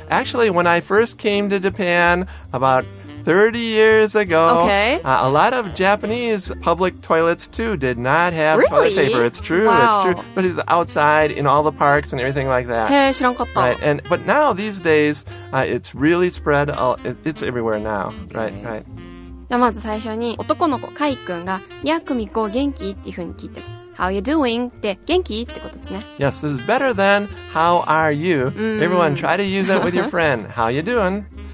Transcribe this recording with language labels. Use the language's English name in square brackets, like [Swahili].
[English] Actually, when I first came to Japan about 30 years ago, okay, a lot of Japanese public toilets, too, did not have really? Toilet paper. It's true. Wow. It's true. But it's outside in all the parks and everything like that. [Japanese] Hey, 知らんかった. [English] Right. And, but now, these days, it's really spread. It's everywhere now. Okay. Right, right. [Japanese] じゃあまず最初に男の子カイ君がいや、久美子元気っていう風に聞いて [English] How you doing? [Japanese] って元気ってことですね [English] Yes, this is better than How are you? Everyone, try to use that with your friend How you doing?